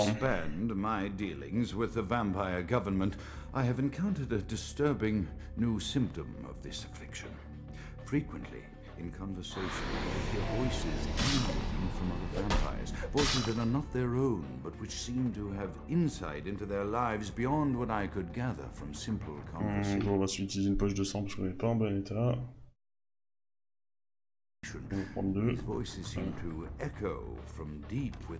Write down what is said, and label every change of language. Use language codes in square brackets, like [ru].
[en] As I expand my dealings with the vampire government, I have encountered a disturbing new symptom of this affliction. Frequently, in conversation, I hear voices emanating from other vampires, voices that are not their own, but which seem to have insight into their lives beyond what I could gather from simple conversation. [fr] On va s'utiliser une poche de sang parce qu'on n'est pas en bon état. [en] These voices seem to echo from deep with.